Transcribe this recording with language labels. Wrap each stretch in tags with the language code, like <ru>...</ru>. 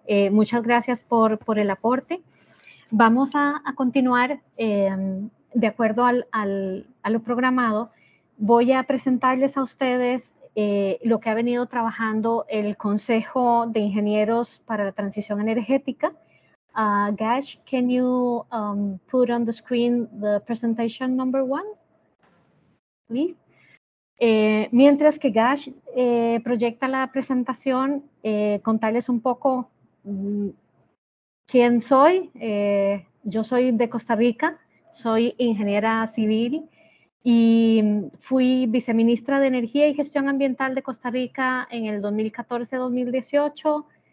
<es>Muchas gracias por el aporte. Vamos a continuar de acuerdo a lo programado. Voy a presentarles a ustedes lo que ha venido trabajando el Consejo de Ingenieros para la Transición Energética.</es> <en>Gash, can you put on the screen the presentation number one, please?</en> <es>Mientras que Gash proyecta la presentación, contarles un poco quién soy. Yo soy de Costa Rica, soy ingeniera civil y fui viceministra de Energía y Gestión Ambiental de Costa Rica en el 2014-2018.</es>